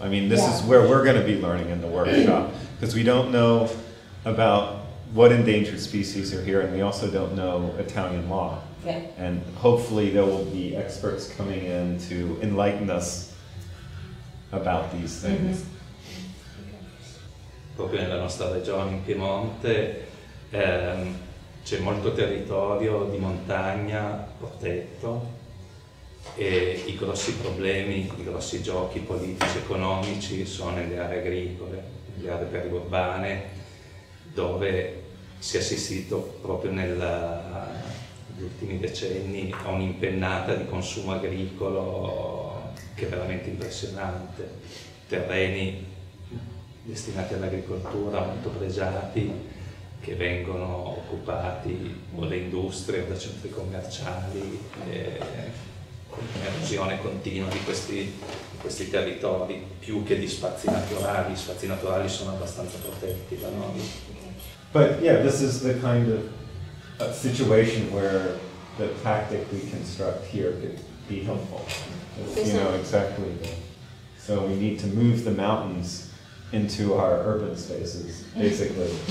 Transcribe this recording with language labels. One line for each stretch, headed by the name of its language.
English: I mean, this is where we're going to be learning in the workshop, because we don't know about what endangered species are here, and we also don't know Italian law. Yeah. And hopefully there will be experts coming in to enlighten us about these things. Mm-hmm.
Italian: Proprio nella nostra regione in Piemonte c'è molto territorio di montagna protetto e i grossi problemi, i grossi giochi politici, economici sono nelle aree agricole, nelle aree periurbane, dove si è assistito proprio negli ultimi decenni a un'impennata di consumo agricolo che è veramente impressionante, terreni destinati all'agricoltura molto pregiati che vengono occupati o da industrie o da centri commerciali, un'erosione continua di questi territori più che di spazi naturali. I spazi naturali sono abbastanza protetti da noi.
English: But yeah, this is the kind of situation where the tactic we construct here could be helpful. You know exactly. So we need to move the mountains into our urban spaces, basically.